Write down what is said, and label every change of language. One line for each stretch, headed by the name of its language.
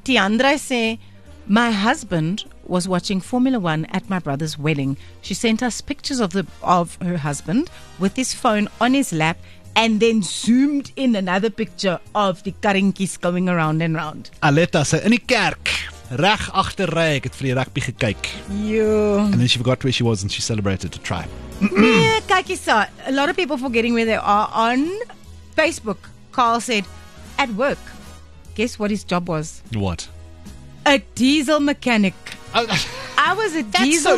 English: Tiandra say, my husband was watching Formula One at my brother's wedding. She sent us pictures of her husband with his phone on his lap and then zoomed in another picture of the karinkies going around and round.
Afrikaans: Aletta say, in die kerk. Reg agter ry, ek het vir die rugby gekyk. Jo.
English: And then she forgot where she was and she celebrated a try.
Afrikaans: Nee, kyk jy so.
English: A lot of people forgetting where they are on Facebook. Carl said, at work. Guess what his job was? What? A diesel mechanic. I was a diesel